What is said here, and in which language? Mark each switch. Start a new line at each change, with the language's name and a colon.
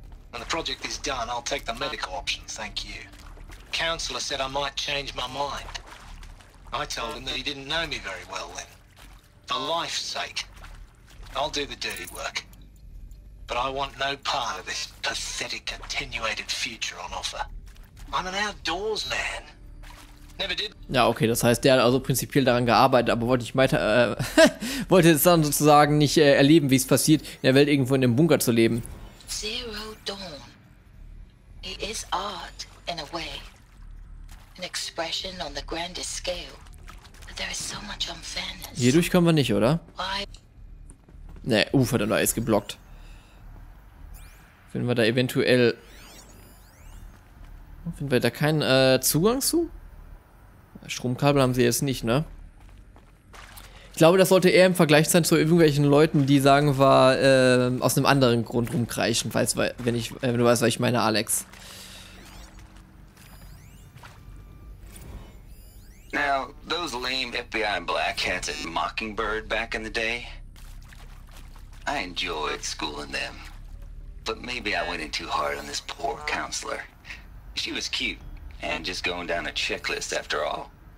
English: When the project is done, I'll take the medical option, thank you. Counselor said I might change my mind. I told him that he didn't know me very well then. For life's sake. I'll do the dirty work. But I want no part of this pathetic, attenuated future on offer. I'm an outdoors man. Never did.
German: Ja, okay, das heißt, der hat also prinzipiell daran gearbeitet, aber wollte nicht weiter, wollte es dann sozusagen nicht erleben, wie es passiert, in der Welt irgendwo in einem Bunker zu leben.
English: Zero Dawn. It is art, in a way. An expression on the grandest scale. But there is so much unfairness.
German: Hierdurch kommen wir nicht, oder? Why? Nee, verdammt, da ist geblockt. Finden wir da eventuell... Finden wir da keinen Zugang zu? Stromkabel haben sie jetzt nicht, ne? Ich glaube, das sollte eher im Vergleich sein zu irgendwelchen Leuten, die sagen, war aus einem anderen Grund rumkreischen, falls, wenn du weißt, was ich meine, Alex.
English: Now, those lame FBI black hats at Mockingbird back in the day... I enjoyed schooling them. But maybe I went in too hard on this poor counselor. She was cute, and just going down a checklist after all.